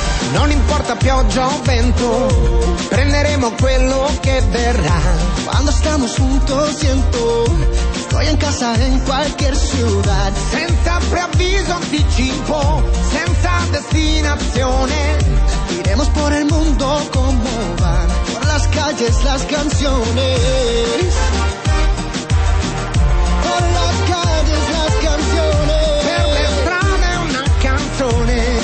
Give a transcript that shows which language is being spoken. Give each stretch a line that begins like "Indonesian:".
Italian: Non importa pioggia o vento, prenderemo quello che verrà.
Spanish: Quando estamos juntos siento que estoy en casa en cualquier ciudad.
Italian: Senza preavviso anticipo, senza destinazione,
Spanish: iremos por el mundo como van, por las calles las canciones. Por las calles las canciones.
Italian: Per le strade una canzone.